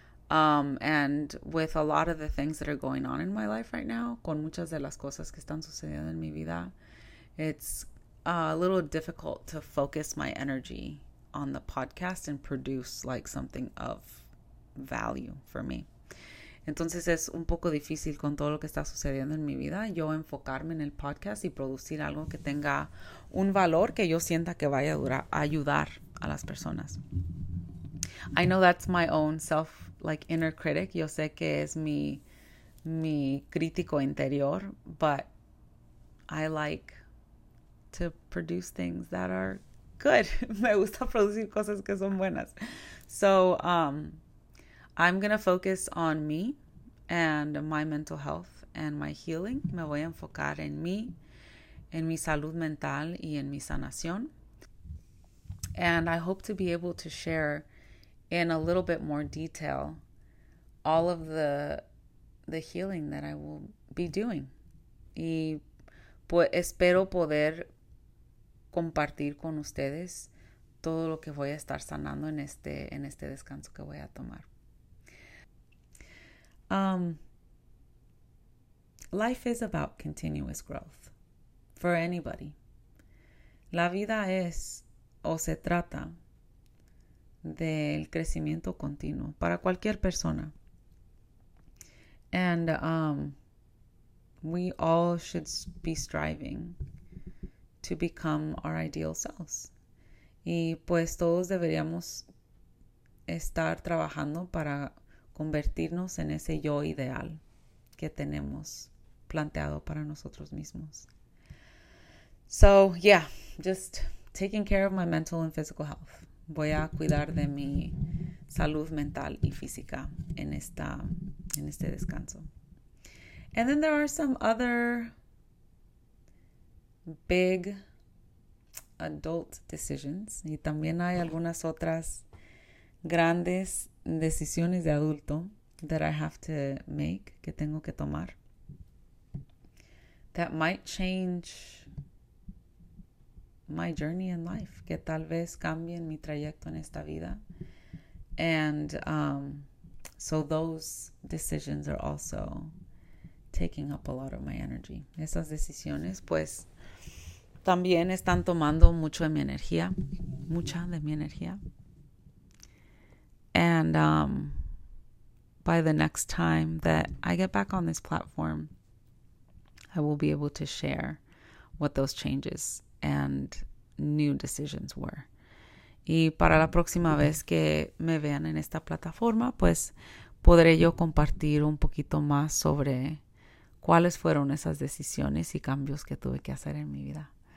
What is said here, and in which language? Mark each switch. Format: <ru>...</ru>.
<en>And with a lot of the things that are going on in my life right now,</en> <es>con muchas de las cosas que están sucediendo en mi vida,</es> <en>it's a little difficult to focus my energy on the podcast and produce like something of value for me.</en> <es>Entonces es un poco difícil con todo lo que está sucediendo en mi vida yo enfocarme en el podcast y producir algo que tenga un valor que yo sienta que vaya a durar, ayudar a las personas.</es> <en>I know that's my own self, like inner critic.</en> <es>Yo sé que es mi crítico interior,</es> <en>but I like to produce things that are good.</en> <es>Me gusta producir cosas que son buenas.</es> <en>So, I'm going to focus on me and my mental health and my healing.</en> <es>Me voy a enfocar en mí, en mi salud mental y en mi sanación.</es> <en>And I hope to be able to share in a little bit more detail all of the healing that I will be doing.</en> <es>Y pues espero poder compartir con ustedes todo lo que voy a estar sanando en este descanso que voy a tomar.</es> <en>Life is about continuous growth for anybody.</en> <es>La vida es o se trata del crecimiento continuo para cualquier persona.</es> <en>And we all should be striving to become our ideal selves.</en> <es>Y pues todos deberíamos estar trabajando para convertirnos en ese yo ideal que tenemos planteado para nosotros mismos.</es> <en>So, yeah, just taking care of my mental and physical health.</en> <es>Voy a cuidar de mi salud mental y física en este descanso.</es> <en>And then there are some other big adult decisions.</en> <es>Y también hay algunas otras grandes decisiones de adulto</es> <en>that I have to make,</en> <es>que tengo que tomar,</es> <en>that might change my journey in life,</en> <es>que tal vez cambien mi trayecto en esta vida.</es> <en>And so those decisions are also taking up a lot of my energy.</en> <es>Esas decisiones pues también están tomando mucho de mi energía, mucha de mi energía.</es> <en>And by the next time that I get back on this platform, I will be able to share what those changes and new decisions were.</en> <es>Y para la próxima vez que me vean en esta plataforma, pues podré yo compartir un poquito más sobre cuáles fueron esas decisiones y cambios que tuve que hacer en mi vida.</es>